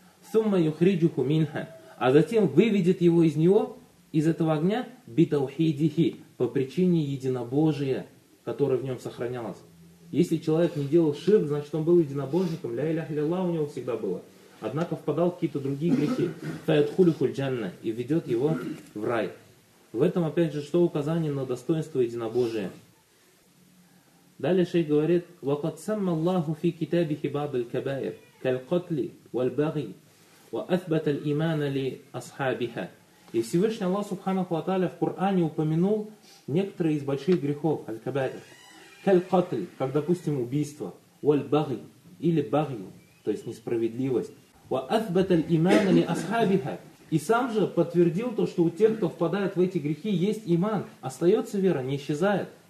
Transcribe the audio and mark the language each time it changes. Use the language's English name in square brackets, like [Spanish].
[Arabic] «Сумма юхриджуху минха», [Russian] а затем выведет его из него, из этого огня, [Arabic] «битаухидихи», [Russian] по причине единобожия, которое в нем сохранялось. Если человек не делал ширк, значит он был единобожником, [Arabic] «ля илля илля Аллах» [Russian] у него всегда было. Однако впадал в какие-то другие грехи, [Arabic] «фаятхулюхуль джанна», [Russian] и ведет его в рай. В этом, опять же, что указание на достоинство единобожия. Далее шейх говорит: [Arabic] وَقَدْ سَمَّ اللَّهُ فِي كِتَابِهِ بَعْضِ الْكَبَائِرِ كَالْقَتْلِ وَالْبَغِي وَأَثْبَتَ الْإِيمَانَ لِأَصْحَابِهَا. [Russian] И Всевышний Аллах Субханаху ва Тааля в Коране упомянул некоторые из больших грехов, аль-кабаир, каль-катль, как, допустим, убийство, وَالْبَغِي или багью, то есть несправедливость, [Arabic] وَأَثْبَتَ الْإِيمَانَ لِأَصْحَابِهَا. [Russian] И сам же подтвердил то, что у тех, кто впадает в эти грехи, есть иман, остается вера, не исчезает.